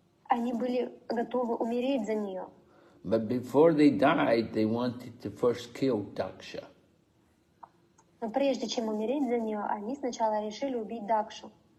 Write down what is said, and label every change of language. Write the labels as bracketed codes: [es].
[ru] Они были готовы умереть за нее. [en] But before they died, they wanted to first kill Daksha. [ru] Но прежде чем умереть за нее, они сначала решили убить Дакшу.